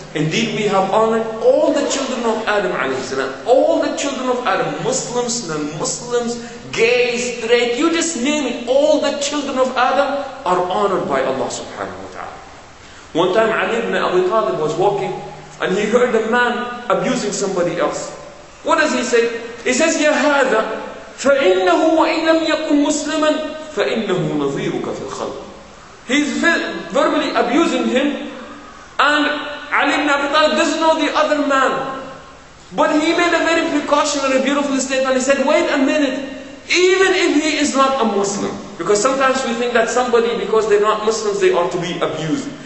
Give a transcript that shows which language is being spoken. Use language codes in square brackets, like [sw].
[en] Indeed, we have honored all the children of Adam a.s. All the children of Adam, Muslims, non-Muslims, gay, straight, you just name it, all the children of Adam are honored by Allah subhanahu wa ta'ala. One time Ali ibn Abi Talib was walking and he heard a man abusing somebody else. What does he say? He says, [ar] يَا هَذَا فَإِنَّهُ وَإِنْ لَمْ يَكُنْ مُسْلِمًا فَإِنَّهُ نَظِيرُكَ فِي الْخَلْقِ. [en] He's verbally abusing him and Ali ibn Abi Talib doesn't know the other man. But he made a very precautionary, beautiful statement. He said, wait a minute, even if he is not a Muslim, because sometimes we think that somebody, because they're not Muslims, they ought to be abused.